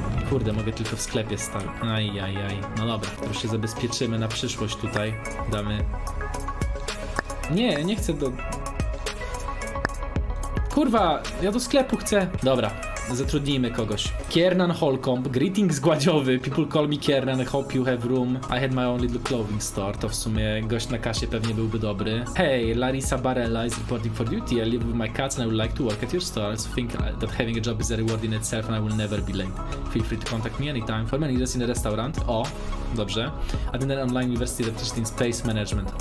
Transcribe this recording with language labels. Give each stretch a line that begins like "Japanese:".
Polish: Kurde, mogę tylko w sklepie stać. Ajajaj. No dobra, to już się zabezpieczymy na przyszłość tutaj. Damy. Nie, nie chcę do... Kurwa, ja do sklepu chcę. Dobra, zatrudnijmy kogoś.
English: Kiernan Holcomb, greetings gładziowy. People call me Kiernan, hope you have room. I had my own little clothing store.
Polish: To w sumie gość na kasie pewnie byłby dobry.
English: Hey, Larissa Barella is reporting for duty. I live with my cats and I would like to work at your store. I think that having a job is a reward in itself and I will never be late. Feel free to contact me anytime. For managers in the restaurant.
Polish: O, dobrze.
English: At an online university that teaches in space management.